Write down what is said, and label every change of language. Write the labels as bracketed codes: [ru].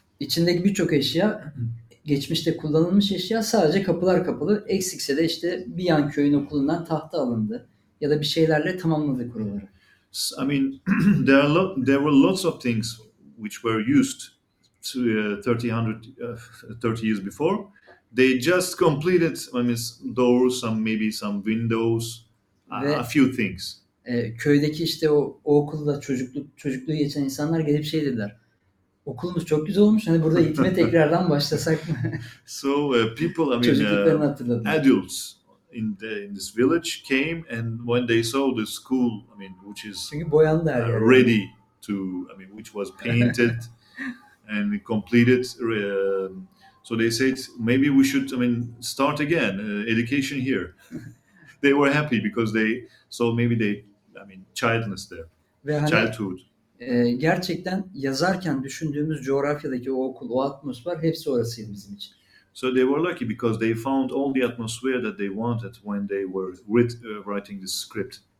[tr] İçindeki birçok eşya geçmişte kullanılmış eşya, sadece kapılar kapalı. Eksikse de işte bir yan köyün okulundan tahta alındı ya da bir şeylerle tamamladı kuruları. [en] I mean, there were lots of things which were used. To 30 years before, they just completed. I mean, doors, some maybe some windows, a few things. [tr] Köydeki işte o okulda çocukluğu geçen insanlar gelip şey dediler. Okulumuz çok güzel olmuş. Hani burada eğitime tekrardan başlasak. [en] So people, I mean, adults in this village came and when they saw the school, I mean, which is ready to, I mean, which was painted. And completed, so they said, maybe we should, I mean, start again education here. They were happy because they, so maybe they, I mean, childness there, [tr] ve hani, [en] childhood. [tr] Gerçekten yazarken düşündüğümüz coğrafyadaki o okul, o atmosfer hepsi orasıydı bizim için. [en] So they were lucky because they found all the atmosphere that they wanted when they were writing the script.